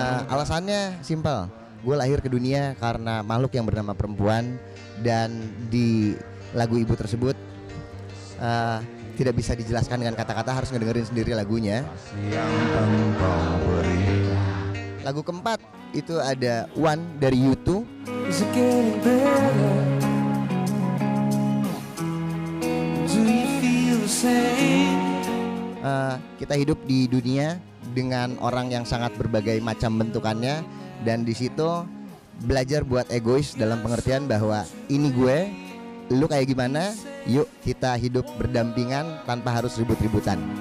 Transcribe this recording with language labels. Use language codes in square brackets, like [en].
[id] Alasannya simpel, gue lahir ke dunia karena makhluk yang bernama perempuan, dan di lagu Ibu tersebut tidak bisa dijelaskan dengan kata-kata, harus ngedengerin sendiri lagunya. Lagu keempat itu ada One dari YouTube. [en] Is it getting better? Do you feel the same? [id] Kita hidup di dunia dengan orang yang sangat berbagai macam bentukannya, dan di situ belajar buat egois dalam pengertian bahwa ini gue, lu kayak gimana, yuk kita hidup berdampingan tanpa harus ribut-ributan.